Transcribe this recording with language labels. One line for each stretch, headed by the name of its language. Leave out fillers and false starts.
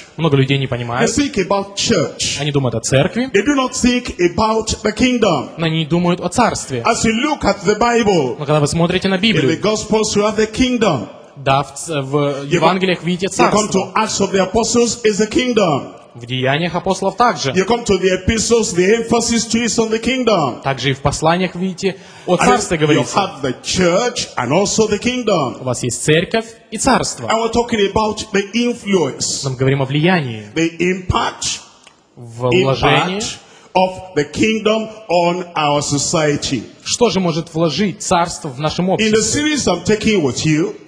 Russian: Много людей не понимают.
English: They think about church.
Russian: Они думают о церкви.
English: They do not think about the kingdom.
Russian: Но они не думают о царстве.
English: As you look at the Bible,
Russian: но когда вы смотрите на Библию,
English: in the Gospels you have the kingdom.
Russian: Да, в Евангелиях видите царство.
English: You come to Acts of the Apostles is the kingdom.
Russian: В Деяниях апостолов также.
English: You come to the epistles, the emphasis is on the kingdom.
Russian: Также и в посланиях видите о царстве говорится.
English: You have the church and also the kingdom.
Russian: У вас есть церковь и царство.
English: And we're talking about the influence.
Russian: Мы говорим о влиянии.
English: The impact,
Russian: вложение
English: of the kingdom on our society.
Russian: Что же может вложить царство в нашем обществе?
English: In the series I'm taking with you.